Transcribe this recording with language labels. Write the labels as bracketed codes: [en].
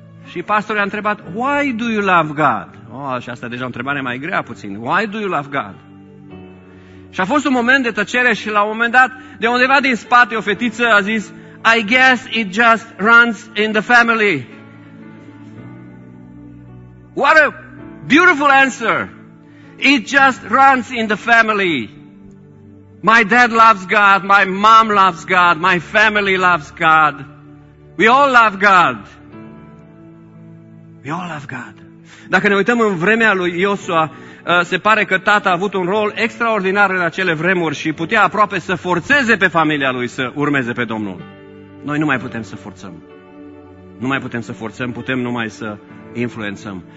[ro] Și pastorul a întrebat, [en] why do you love God? [ro] Oh, și asta e deja o întrebare mai grea puțin. [en] Why do you love God? [ro] Și a fost un moment de tăcere și la un moment dat, de undeva din spate, o fetiță a zis, [en] I guess it just runs in the family. What a beautiful answer. It just runs in the family. My dad loves God, my mom loves God, my family loves God. We all love God. We all love God. [ro] Dacă ne uităm în vremea lui Iosua, se pare că tata a avut un rol extraordinar în acele vremuri și putea aproape să forțeze pe familia lui să urmeze pe Domnul. Noi nu mai putem să forțăm. Nu mai putem să forțăm, putem numai să influențăm.